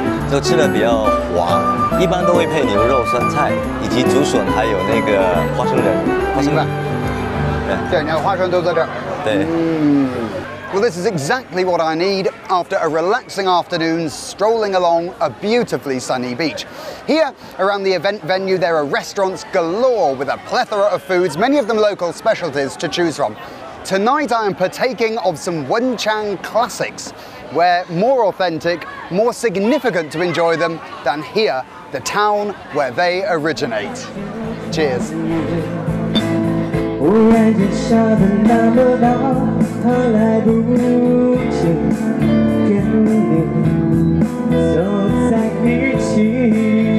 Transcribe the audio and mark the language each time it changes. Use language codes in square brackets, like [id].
[zh] 就吃的比较滑，一般都会配牛肉、酸菜以及竹笋，还有那个花生仁。花生仁，对，你看花生都在这儿。对。 [en] Well, this is exactly what I need after a relaxing afternoon strolling along a beautifully sunny beach. Here, around the event venue, there are restaurants galore with a plethora of foods, many of them local specialties to choose from. Tonight, I am partaking of some Wenchang classics. Where more authentic, more significant to enjoy them than here, the town where they originate. Cheers. [zh] 然间下的那么大，他来不及跟你走在一起。